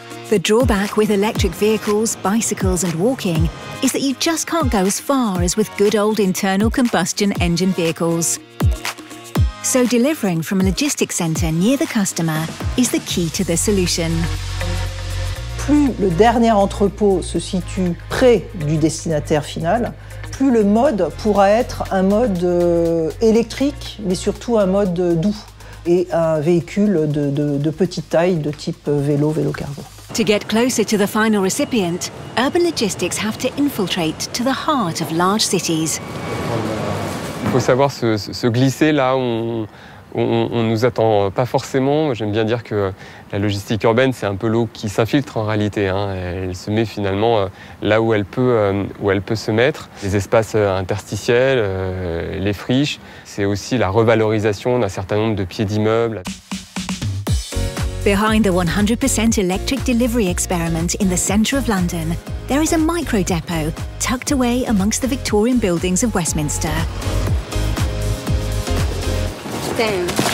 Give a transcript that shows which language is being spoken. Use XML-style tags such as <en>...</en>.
<en>The drawback with electric vehicles, bicycles and walking is that you just can't go as far as with good old internal combustion engine vehicles. So delivering from a logistics centre near the customer is the key to the solution.</en> <fr>Plus le dernier entrepôt se situe près du destinataire final, plus le mode pourra être un mode électrique, mais surtout un mode doux et un véhicule de petite taille de type vélo, vélo cargo.</fr> <en>To get closer to the final recipient, urban logistics have to infiltrate to the heart of large cities.</en> <fr>Il faut savoir se glisser là où on nous attend pas forcément. J'aime bien dire que la logistique urbaine, c'est un peu l'eau qui s'infiltre en réalité. Elle se met finalement là où elle peut se mettre. Les espaces interstitiels, les friches, c'est aussi la revalorisation d'un certain nombre de pieds d'immeubles.</fr> <en>Behind the 100% electric delivery experiment in the centre of London, there is a micro depot tucked away amongst the Victorian buildings of Westminster. Ten.</en>